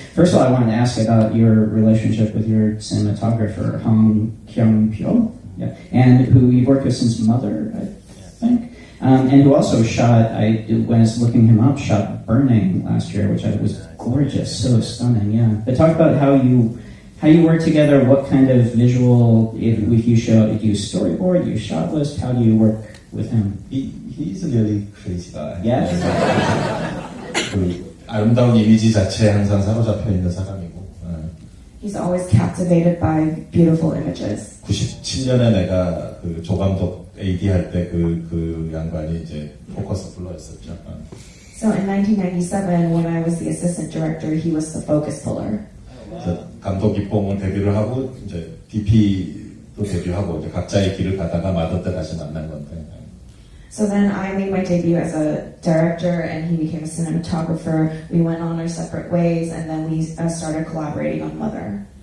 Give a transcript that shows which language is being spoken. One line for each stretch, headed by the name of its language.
English: First of all, I wanted to ask about your relationship with your cinematographer, Hong Kyung-pyo, and who you've worked with since Mother, I think, and who also shot, I was looking him up, shot Burning last year, which I was gorgeous, so stunning, yeah. But talk about how you work together, what kind of visual, if you storyboard, you shot list, how do you work with him? He's a really crazy guy. Yes.
Korean: 아름다운 이미지 자체에 항상 사로잡혀 있는 사람이고.
English: He's always captivated by beautiful images.
Korean: 97년에 내가 그 조감독 AD 할 때 그 양반이 이제 포커스 플러였었죠.
English: So in 1997, when I was the assistant director, he was the focus puller.
Korean: 감독 기뽕은 데뷔를 하고 이제 DP도 데뷔하고 이제 각자의 길을 가다가 마더 때 다시 만난 건데.
English: So then I made my debut as a director, and he became a cinematographer. We went on our separate ways, and then we started collaborating on Mother.